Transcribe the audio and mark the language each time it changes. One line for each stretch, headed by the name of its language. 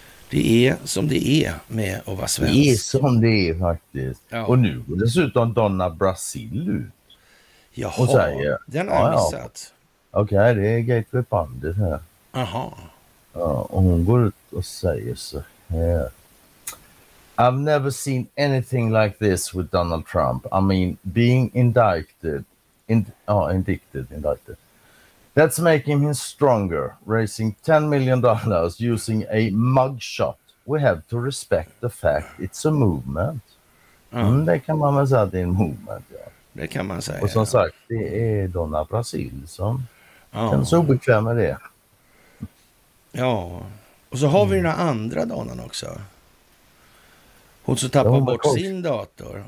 Swedish: Det är som det är med att vara svensk. Det är som det är faktiskt. Ja. Och nu går dessutom Donna Brasil ut. Jaha, och säger, den har jag missat. Okej, okay, det är Gateway Pundit här. Aha. Ja, och hon går ut och säger så här.
English: I've never seen anything like this with Donald Trump. I mean, being indicted. Indicted. That's making him stronger, raising $10 million using a mugshot. We have to respect the fact it's a movement.
Swedish: Mm, det kan man väl säga att det är en movement, ja. Det kan man säga. Och som sagt, det är Donna Brasil som känns så obekväm med det. Ja, och så har vi den andra Donan också. Hon så tappar bort sin dator.